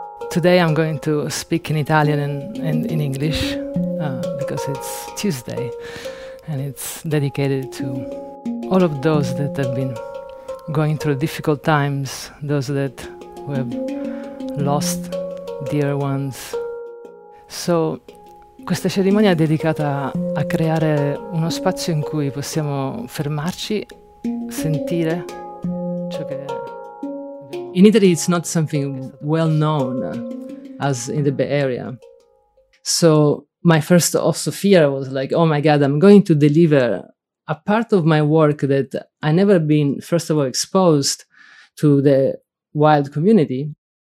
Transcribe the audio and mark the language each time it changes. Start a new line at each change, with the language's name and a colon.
English: Today I'm going to speak in Italian and in English, because it's Tuesday, and it's dedicated to all of those that have been going through difficult times, those that who have lost dear ones.
Italian: So, questa cerimonia è dedicata a creare uno spazio in cui possiamo fermarci, sentire ciò che abbiamo
English: In Italy, it's not something well known as in the Bay Area. So my first also fear was like, oh my God, I'm going to deliver a part of my work that I never been, first of all, exposed to the wild community.